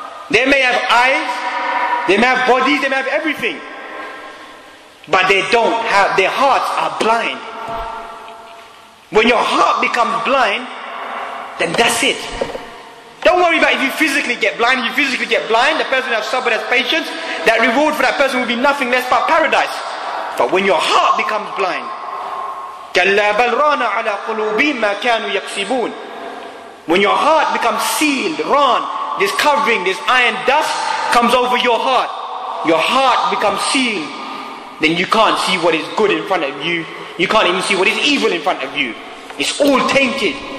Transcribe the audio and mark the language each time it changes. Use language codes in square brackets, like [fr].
[en] They may have eyes, they may have bodies, they may have everything, but they don't have, their hearts are blind. When your heart becomes blind, then that's it. Don't worry about if you physically get blind. If you physically get blind, the person who has sabr has patience, that reward for that person will be nothing less but paradise. But when your heart becomes blind, [ar] كَلَّا بَلْرَانَ عَلَىٰ قُلُوبِهِمْ مَا كَانُوا يَكْسِبُونَ. [en] When your heart becomes sealed, ran, this covering, this iron dust comes over your heart. Your heart becomes sealed. Then you can't see what is good in front of you. You can't even see what is evil in front of you. It's all tainted.